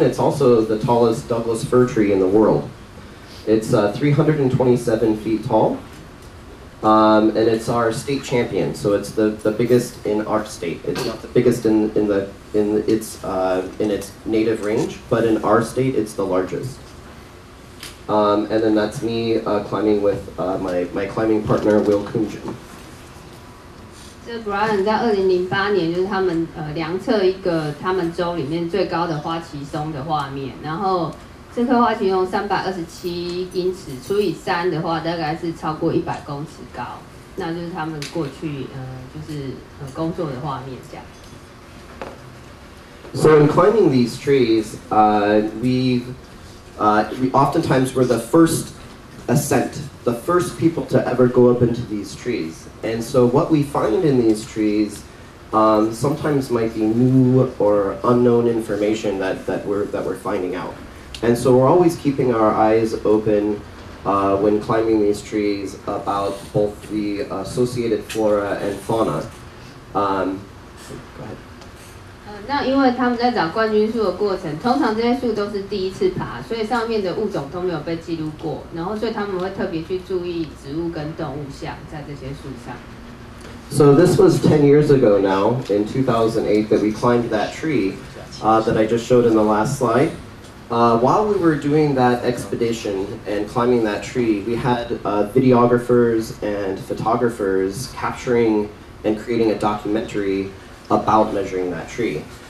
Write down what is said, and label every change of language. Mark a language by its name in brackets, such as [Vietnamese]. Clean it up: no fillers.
[English] It's also the tallest Douglas fir tree in the world. It's 327 feet tall, and it's our state champion. So it's the biggest in our state. It's not the biggest in its native range, but in our state, it's the largest. And then that's me climbing with my climbing partner Will Kunjin. [Chinese] 这 Brian 在2008年，就是他们量测一个他们州里面最高的花旗松的画面。然后这棵花旗松327英尺，除以3的话，大概是超过100公尺高。那就是他们过去工作的画面这样。 [English] So in climbing these trees, we oftentimes were the first ascent, the first people to ever go up into these trees. And so what we find in these trees sometimes might be new or unknown information that we're finding out. And so we're always keeping our eyes open when climbing these trees about both the associated flora and fauna. Go ahead. [Chinese] 那因为他们在找冠军树的过程，通常这些树都是第一次爬，所以上面的物种都没有被记录过，然后所以他们会特别去注意植物跟动物像在这些树上。 [English] So this was 10 years ago now, in 2008, that we climbed that tree, that I just showed in the last slide. While we were doing that expedition and climbing that tree, we had videographers and photographers capturing and creating a documentary about measuring that tree.